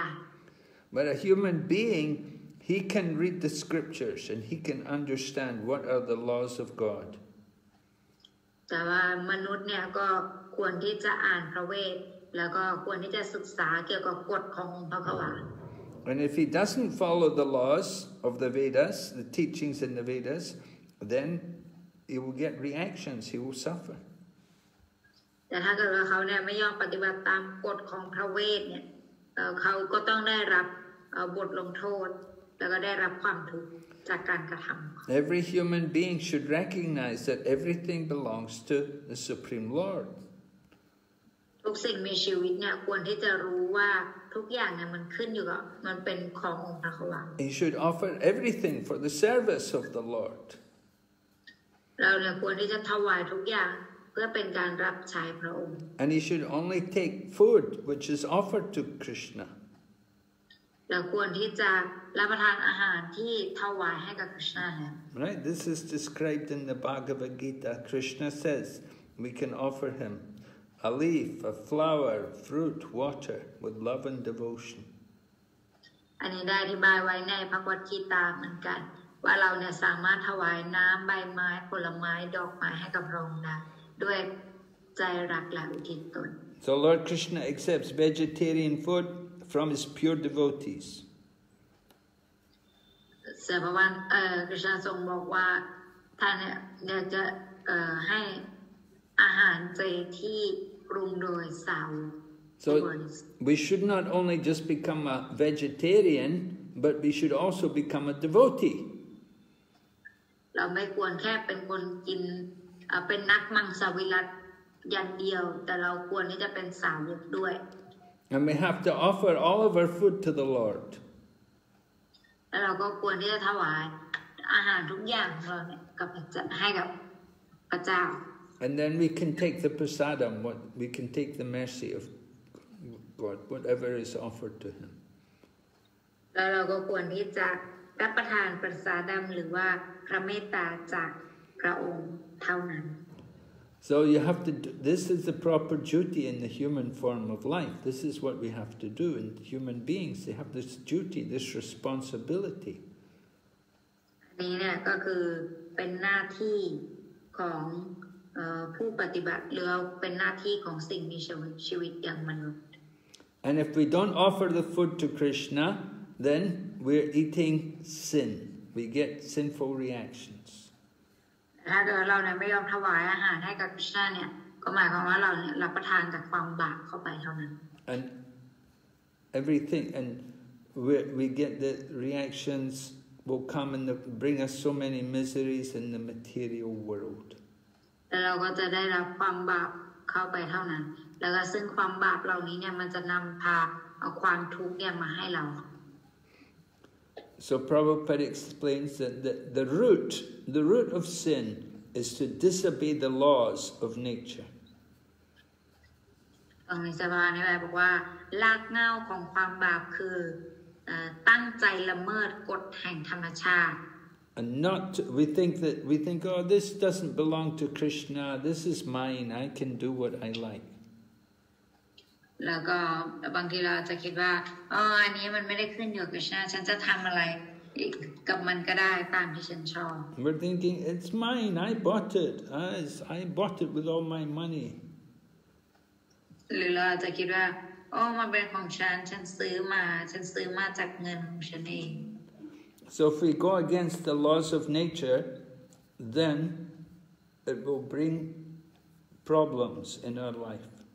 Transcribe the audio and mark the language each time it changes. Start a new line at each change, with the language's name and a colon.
English: But a human beingHe can read the scriptures and he can understand what are the laws of God.
Thai: แต่ว่ามนุษย์เนี่ยก็ควรที่จะอ่านพระเวทแล้วก็ควรที่จะศึกษาเกี่ยวกับกฎขององค์พระควา
English: And if he doesn't follow the laws of the Vedas, the teachings in the Vedas, then he will get reactions, he will suffer.
Thai: แต่ถ้าเกิดว่าเขาเนี่ยไม่ยอมปฏิบัติตามกฎของพระเวทเนี่ยเขาก็ต้องได้รับบทลงโทษแล้วก็ได้รับความทุกข์จากการกระทำ
English: Every human being should recognize that everything belongs to the Supreme Lord.
Thai: ทุกสิ่งมีชีวิตเนี่ยควรที่จะรู้ว่าทุกอย่างเนี่ยมันขึ้นอยู่กับมันเป็นขององค์พระควา
English: He should offer everything for the service of the Lord.
Thai: เราเนี่ยควรที่จะถวายทุกอย่างเพื่อเป็นการรับใช้พระองค์
English: And he should only take food which is offered to Krishna.
Thai: เราควรที่จะรับประทานอาหารที่ถวายให้กับ Krishna
English: Right, this is described in the Bhagavad Gita. Krishna says, we can offer him a leaf, a flower, fruit, water with love and devotion.
Thai: อันนี้ได้อธิบายไว้ในพระวจีตาเหมือนกันว่าเราเนี่ยสามารถถวายน้ำใบไม้ผลไม้ดอกไม้ให้กับพระองค์ได้ด้วยใจรักและอุทิศตน
English: So Lord Krishna accepts vegetarian foodFrom his pure devotees.
Thai: Sabavan, Krishna Song บอกว่าท่านเนี่ยจะให้อาหารเจที่ปรุงโดยสาวก
English: So we should not only just become a vegetarian, but we should also become a devotee.
Thai: เราไม่ควรแค่เป็นคนกินเป็นนักมังสวิรัติอย่างเดียวแต่เราควรที่จะเป็นสาวกด้วย
English: And we have to offer all of our food to the Lord.
Thai: เราก็ควรที่จะถวายอาหารทุกอย่างเราเนี่ยกับให้กับพระเจ้า
English: And then we can take the prasadam, what we can take the mercy of God, whatever is offered to Him.
Thai: เราก็ควรที่จะรับประทานประสาดัมหรือว่าพระเมตตาจากพระองค์เท่านั้น
English: So you have to, this is the proper duty in the human form of life. This is what we have to do in human beings. They have this duty, this responsibility.
Thai: นี่เนี่ยก็คือเป็นหน้าที่ของผู้ปฏิบัติหรือเป็นหน้าที่ของสิ่งมีชีวิตอย่างมนุษย์
English: And if we don't offer the food to Krishna, then we're eating sin. We get sinful reactions.
Thai: ถ้าเกิดเราเนี่ยไม่ยอมถวายอาหารให้กับพระเจ้าเนี่ยก็หมายความว่าเราเนี่ยรับประทานจากความบาปเข้าไปเท่านั้น
English: And everything and we get the reactions will come and bring us so many miseries in the material world
Thai: แต่เราก็จะได้รับความบาปเข้าไปเท่านั้นแล้วก็ซึ่งความบาปเหล่านี้เนี่ยมันจะนำพาเอาความทุกข์เนี่ยมาให้เรา
English: So Prabhupada explains that the root of sin is to disobey the laws of nature.
Thai: ตรงนี้จะมาในแบบบอกว่ารากเหง้าของความบาปคือตั้งใจละเมิดกฎแห่งธรรมชาติ
English: And not we think oh this doesn't belong to Krishna this is mine I can do what I like
Thai: แล้วก็บางทีเราจะคิดว่าอ๋ออันนี้มันไม่ได้ขึ้นอยู่กับ Krishna ฉันจะทำอะไรกับมันก็ได้ตามที่ฉันชอบ
English: We're thinking it's mine I bought it as I bought it with all my money
Thai: หรือเราจะคิดว่าโอ้มันเป็นของฉันฉันซื้อมาจากเงินของฉันเอง
English: So if we go against the laws of nature then it will bring problems in our life